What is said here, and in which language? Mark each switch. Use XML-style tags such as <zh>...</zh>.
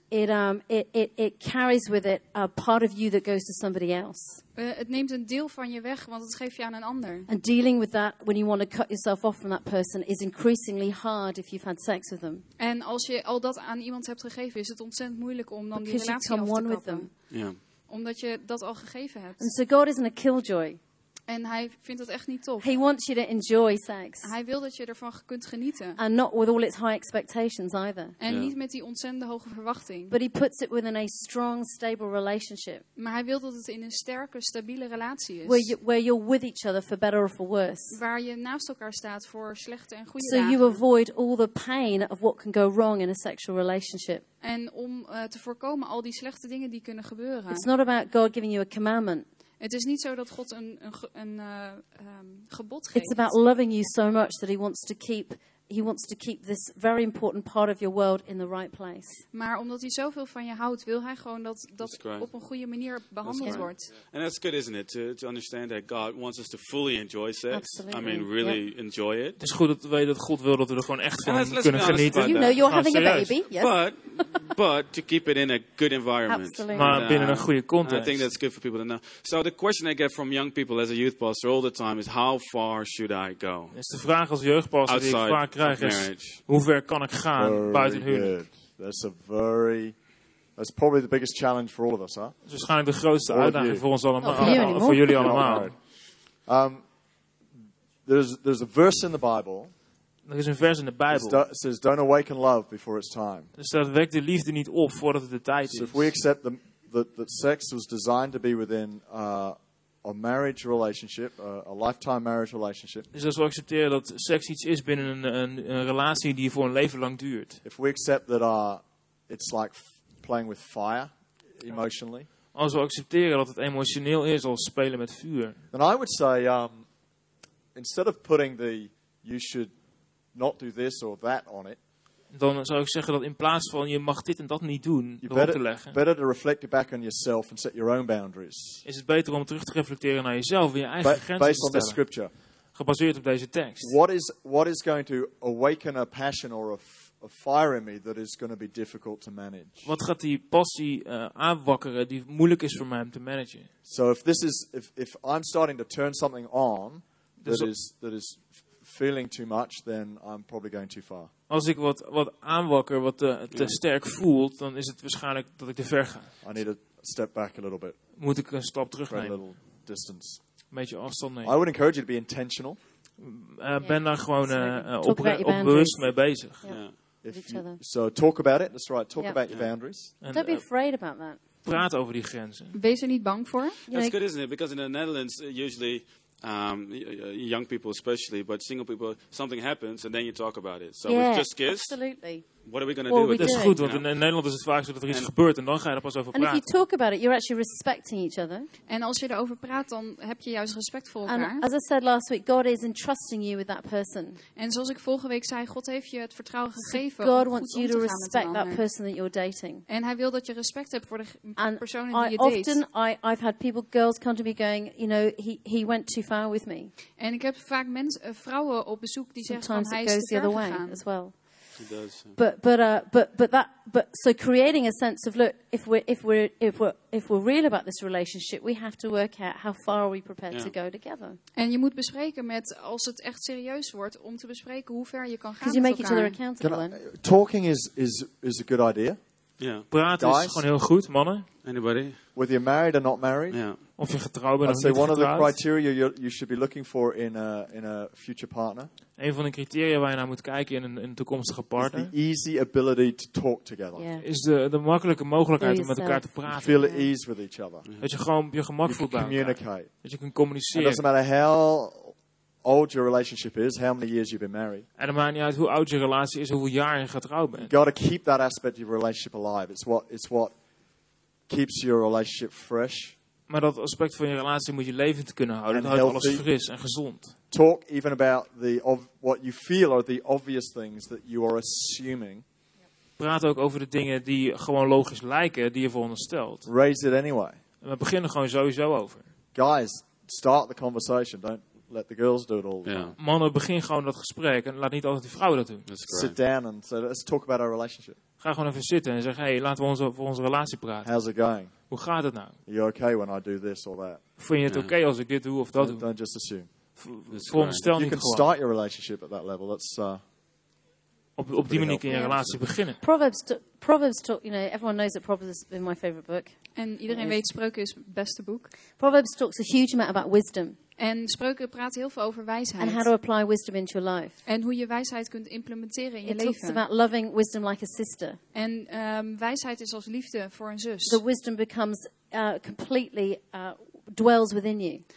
<en>It carries with it a part of you that goes to somebody else.</en> <nl>Het neemt een deel van je weg, want het geeft je aan een ander.</nl> <en>And dealing with that when you want to cut yourself off from that person is increasingly hard if you've had sex with them.</en> <nl>En als je al dat aan iemand hebt gegeven, is het ontzettend moeilijk om dan die relatie af te kappen.</nl> <en>Because you become one with them. Yeah.</en> <nl>Omdat je dat al gegeven hebt.</nl> <en>And so God isn't a killjoy.</en> <nl>En hij vindt dat echt niet tof.</nl> <en>He wants you to enjoy sex.</en> <nl>Hij wil dat je ervan kunt genieten.</nl> <en>And not with all its high expectations either.</en> <nl>En niet met die ontzettend hoge verwachting.</nl> <en>But he puts it within a strong, stable relationship.</en> <nl>Maar hij wil dat het in een sterke, stabiele relatie is.</nl> <en>Where you're with each other for better or for worse.</en> <nl>Waar je naast elkaar staat voor slechte en goede dagen.</nl> <en>So you avoid all the pain of what can go wrong in a sexual relationship.</en> <nl>En om te voorkomen al die slechte dingen die kunnen gebeuren.</nl> <en>It's not about God giving you a commandment.</en> <nl>Het is niet zo dat God een gebod geeft.</nl> <en>It's about loving you so much that he wants to keep this very important part of your world in the right place.</en> <nl>Maar omdat hij zoveel van je houdt, wil hij gewoon dat op een goede manier behandeld wordt.</nl> <en>And that's good, isn't it, to understand that God wants us to fully enjoy sex. Absolutely. I mean, really enjoy it.</en> <nl>Het is goed dat weet dat God wil dat we er gewoon echt van kunnen genieten.</nl> <en>You know, you're having a baby. Yes. But to keep it in a good environment. Absolutely.</en> <nl>Maar binnen een goede context.</nl> <en>I think that's good for people to know. So the question I get from young people as a youth pastor all the time is, how far should I go?</en> <nl>Is de vraag als jeugdpastor die ik vaak krijg is, hoe ver kan ik gaan buiten huwelijk?</nl> <en>That's probably the biggest challenge for all of us, huh?</en> <nl>Waarschijnlijk de grootste uitdaging voor ons allemaal. Voor jullie allemaal.</nl> <en>There's a verse in the Bible.</en> <nl>Er is een vers in de Bijbel.</nl> <en>Says, "Don't awaken love before it's time."</en> <nl>Dus dat wekt de liefde niet op voordat het de tijd is.</nl> <en>So if we accept that sex was designed to be within a marriage relationship, a lifetime marriage relationship.</en> <nl>Dus als we accepteren dat seks iets is binnen een relatie die voor een leven lang duurt.</nl> <en>If we accept that it's like playing with fire emotionally.</en> <nl>Als we accepteren dat het emotioneel is als spelen met vuur.</nl> <en>Then I would say, instead of putting the "you should not do this or that" on it.</en> <nl>Dan zou ik zeggen dat in plaats van "je mag dit en dat niet doen" te leggen.</nl> <en>Better to reflect it back on yourself and set your own boundaries.</en> <nl>Is het beter om terug te reflecteren naar jezelf en je eigen grenzen te stellen.</nl> <en>Based on the scripture.</en> <nl>Gebaseerd op deze tekst.</nl> <en>What is going to awaken a passion or a fire in me that is going to be difficult to manage?</en> <nl>Wat gaat die passie aanwakkeren die moeilijk is voor mij om te managen?</nl> <en>So if I'm starting to turn something on that is feeling too much, then I'm probably going too far.</en> <nl>Als ik wat aanwakker, wat te sterk voelt, dan is het waarschijnlijk dat ik te ver ga.</nl> <en>I need to step back a little bit.</en> <nl>Moet ik een stap terugnemen?</nl> <en>A little distance.</en> <nl>Een beetje afstand nemen.</nl> <en>I would encourage you to be intentional.</en> <nl>Ben daar gewoon op bewust mee bezig.</nl> <en>Yeah. Yeah. So talk about it. That's right. Talk about your boundaries. And don't be afraid about that.</en> <nl>Praat over die grenzen. Wees er niet bang voor.</nl> <en>That's good, isn't it? Because in the Netherlands, usually young people especially, but single people, something happens and then you talk about it. So we've just kissed. Absolutely. What are we going to do with this?</en> <nl>Goed, want in Nederland is het vaak zo dat er iets gebeurt en dan ga je er pas over praten.</nl> <en>And if you talk about it, you're actually respecting each other.</en> <nl>En als je erover praat, dan heb je juist respect voor elkaar.</nl> <en>And as I said last week, God is entrusting you with that person.</en> <nl>En zoals ik vorige week zei, God heeft je het vertrouwen gegeven.</nl> <en>So God wants you to respect that person that you're dating.</en> <nl>En hij wil dat je respect hebt voor de persoon die je date.</nl> <en>And often I've had people, girls come to me going, you know, he went too far with me.</en> <nl>En ik heb vaak vrouwen op bezoek die zeggen van hij is te ver</nl> <en>the other way as well. Does. But so creating a sense of look, if we're real about this relationship, we have to work out how far are we prepared to go together. En je moet bespreken met als het echt serieus wordt om te bespreken hoe ver je kan gaan. Because you make each other accountable. Talking is a good idea. Yeah.</en> <nl>Praten is gewoon heel goed, mannen.</nl> <en>Anybody? Whether you're married or not married. Yeah.</en> <nl>Of je getrouwd bent of niet getrouwd.</nl> <en>I'd say one of the criteria you should be looking for in a future partner.</en> <nl>Een van de criteria waar je naar moet kijken in een toekomstige partner.</nl> <en>Is the easy ability to talk together. Yeah.</en> <nl>Is de makkelijke mogelijkheid om met elkaar te praten.</nl> <en>You feel at ease with each other.</en> <nl>Dat je gewoon op je gemak voelt bij elkaar. Dat je kunt communiceren.</nl> <en>It doesn't matter how old your relationship is, how many years you've been married.</en> <nl>En het maakt niet uit hoe oud je relatie is, hoeveel jaar je getrouwd bent.</nl> <en>You got to keep that aspect of your relationship alive. It's what keeps your relationship fresh.</en> <nl>Maar dat aspect van je relatie moet je levend kunnen houden. Dat houdt alles fris en gezond.</nl> <en>Talk even about what you feel are the obvious things that you are assuming.</en> <nl>Praat ook over de dingen die gewoon logisch lijken, die je veronderstelt.</nl> <en>Raise it anyway.</en> <nl>En we beginnen gewoon sowieso over.</nl> <en>Guys, start the conversation. Don't let the girls do it all. Yeah.</en> <nl>Mannen, begin gewoon dat gesprek en laat niet altijd die vrouwen dat doen.</nl> <en>Sit down and say, let's talk about our relationship.</en> <nl>Ga gewoon even zitten en zeg, hey, laten we onze relatie praten.</nl> <en>How's it going?</en> <nl>Hoe gaat het nou?</nl> <en>You okay when I do this or that?</en> <nl>Vind je het oké als ik dit doe of dat doe?</nl> <en>Don't just assume.</en> <nl>Voorstel niet gewoon.</nl> <en>You can start your relationship at that level. That's</en> <nl>op die manier kun je relatie beginnen.</nl> <en>Proverbs talk. You know, everyone knows that Proverbs is my favorite book.</en> <nl>En iedereen weet Spreuken is beste boek.</nl> <en>Proverbs talks a huge amount about wisdom.</en> <nl>En Spreuken praat heel veel over wijsheid.</nl> <en>And how to apply wisdom into your life.</en> <nl>En hoe je wijsheid kunt implementeren in</nl> <en>it</en> <nl>je leven.</nl> <en>It talks about loving wisdom like a sister.</en> <nl>En wijsheid is als liefde voor een zus.</nl> <en>The wisdom becomes completely dwells within you.</en>